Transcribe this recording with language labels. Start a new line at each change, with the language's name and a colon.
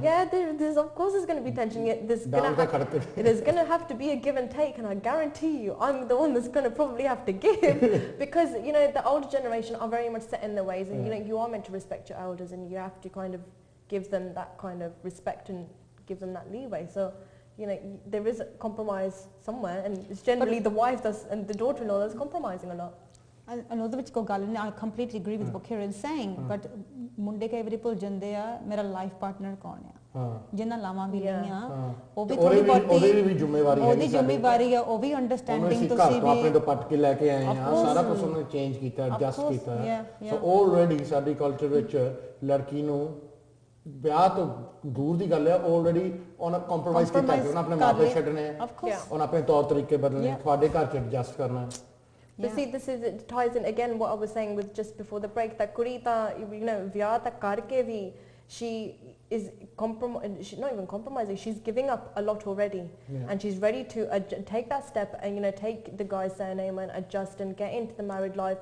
English: Yeah, there's of course there's going to be tension. There's going to have to be a give and take, and I guarantee you I'm the one that's going to probably have to give, because, you know, the older generation are very much set in their ways, and you know, you are meant to respect your elders, and you have to kind of give them that kind of respect and give them that leeway. So, you know, there is a compromise somewhere, and it's generally the wife that's, and the daughter-in-law that's compromising a lot. I completely agree with what Kiran is saying, but
Punjabi: ਮੁੰਡੇ ਕਈ ਵਾਰੀ ਭੁੱਲ ਜਾਂਦੇ ਆ ਮੇਰਾ life partner ਕੌਣ ਆ ਜਿਹਨਾਂ ਲਾਵਾਂ ਵੀ ਲਈਆਂ ਉਹ ਵੀ ਥੋੜੀ ਬਹੁਤੀ ਉਹਦੀ ਜ਼ਿੰਮੇਵਾਰੀ ਆ ਉਹ ਵੀ ਅੰਡਰਸਟੈਂਡਿੰਗ ਤੁਸੀਂ ਵੀ ਆਪਣੇ ਤੋਂ ਪੱਟ ਕੇ ਲੈ ਕੇ ਆਏ ਆ ਸਾਰਾ ਕੁਝ ਉਹਨੇ ਚੇਂਜ ਕੀਤਾ ਐਡਜਸਟ ਕੀਤਾ ਸੋ ਆਲਰੇਡੀ ਸਾਡੀ ਕਲਚਰ ਵਿੱਚ ਲੜਕੀ ਨੂੰ ਵਿਆਹ ਤੋਂ ਦੂਰ ਦੀ ਗੱਲ ਆ ਆਲਰੇਡੀ ਉਹਨਾਂ ਕੰਪਰੋਮਾਈਜ਼ ਕੀਤਾ ਕਿ ਉਹਨਾਂ ਆਪਣੇ ਮਾਪੇ ਛੱਡਣੇ ਆ ਉਹਨਾਂ ਆਪਣੇ ਤੌਰ ਤਰੀਕੇ ਬਦਲਣੇ ਤੁਹਾਡੇ ਘਰ 'ਚ ਐਡਜਸਟ ਕਰਨਾ
English: But see, this is, it ties in again what I was saying with just before the break, that
Punjabi: kuri ta,
English: you know,
Punjabi: vya ta karke vi,
English: she is not even compromising, she's giving up a lot already. Yeah. And she's ready to take that step and, you know, take the guy's surname and adjust and get into the married life.